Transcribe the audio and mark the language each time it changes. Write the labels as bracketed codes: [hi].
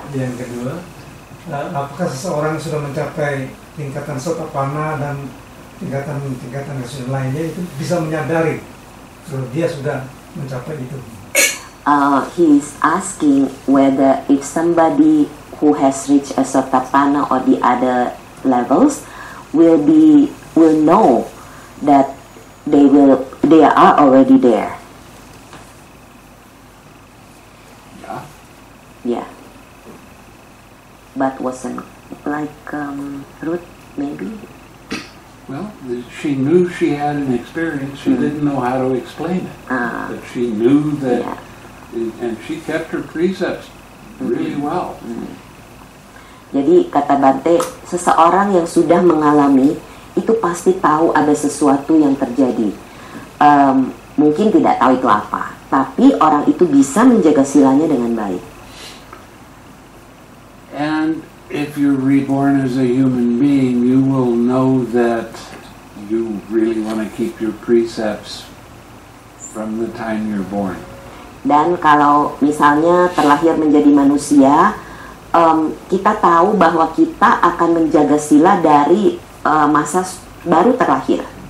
[id] Yang kedua, apakah seseorang sudah mencapai tingkatan sotapanna dan tingkatan-tingkatan yang lainnya itu bisa menyadari kalau dia sudah mencapai itu? [en] He is asking whether if somebody who has reached a sotapanna or the other levels will know that they are already there. Yeah, but wasn't like Ruth, maybe? Well, she knew she had an experience. She didn't know how to explain it. But she knew that, yeah. And she kept her precepts really well. [id] Jadi, kata Bante, seseorang yang sudah mengalami, itu pasti tahu ada sesuatu yang terjadi. Mungkin tidak tahu itu apa, tapi orang itu bisa menjaga silanya dengan baik. [en] And if you're reborn as a human being, you will know that you really want to keep your precepts from the time you're born. [id] Dan kalau misalnya terlahir menjadi manusia, kita tahu bahwa kita akan menjaga sila dari masa baru terlahir.